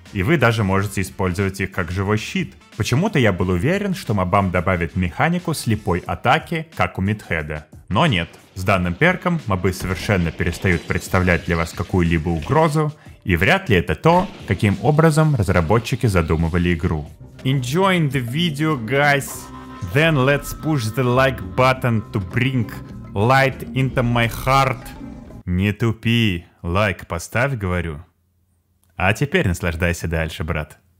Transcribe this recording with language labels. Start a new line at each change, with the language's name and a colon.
Russian: И вы даже можете использовать их как живой щит. Почему-то я был уверен, что Мабам добавит механику слепой атаки, как у Мидхеда. Но нет. С данным перком мобы совершенно перестают представлять для вас какую-либо угрозу, и вряд ли это то, каким образом разработчики задумывали игру.
English: Enjoying the video, guys. Then let's push the like button to bring light into my heart.
Russian: Не тупи, лайк поставь, говорю. А теперь наслаждайся дальше, брат.